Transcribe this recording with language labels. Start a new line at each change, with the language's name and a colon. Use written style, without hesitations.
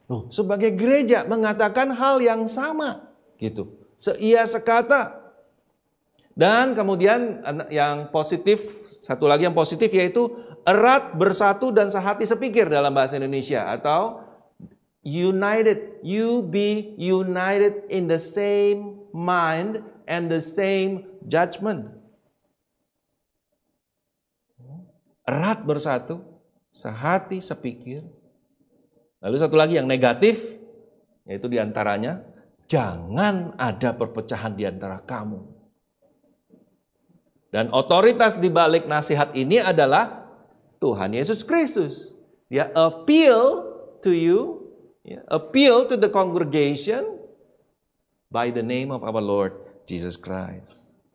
Indonesian: Sebagai gereja, mengatakan hal yang sama. Gitu. Seia sekata. Dan kemudian yang positif, satu lagi yang positif yaitu erat, bersatu, dan sehati sepikir dalam bahasa Indonesia. Atau united.
English: You be united in the same mind and the same judgment.
Indonesian: Erat, bersatu, sehati, sepikir. Lalu satu lagi yang negatif, yaitu diantaranya, jangan ada perpecahan diantara kamu. Dan otoritas dibalik nasihat ini adalah Tuhan Yesus Kristus.
English: Dia appeal to you, appeal to the congregation by the name of our Lord Jesus Christ.